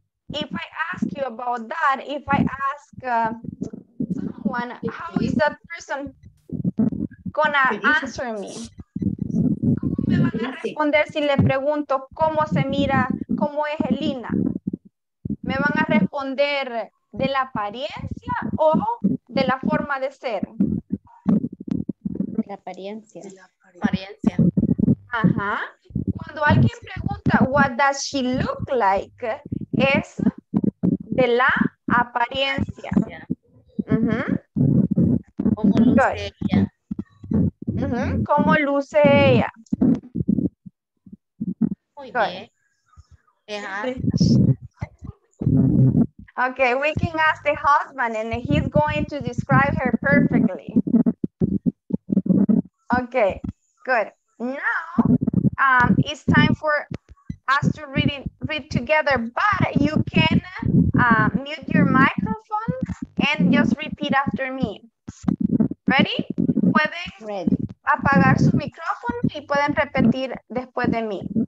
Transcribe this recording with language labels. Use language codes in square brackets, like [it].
[en] If I ask you about that, if I ask someone, how is that person gonna answer me? [es] ¿Me van a responder si le pregunto cómo se mira, cómo es Elina? ¿Me van a responder de la apariencia o de la forma de ser? De la apariencia. De la apariencia. Ajá. Cuando alguien pregunta, [en] what does she look like, [es] es de la apariencia. Uh-huh. ¿Cómo luce ella? Uh-huh. ¿Cómo luce ella? [en] Okay, we can ask the husband and he's going to describe her perfectly. Okay, good. Now it's time for us to read together, but you can mute your microphone and just repeat after me. Ready? [es] ¿Pueden apagar su micrófono y pueden repetir después de mí?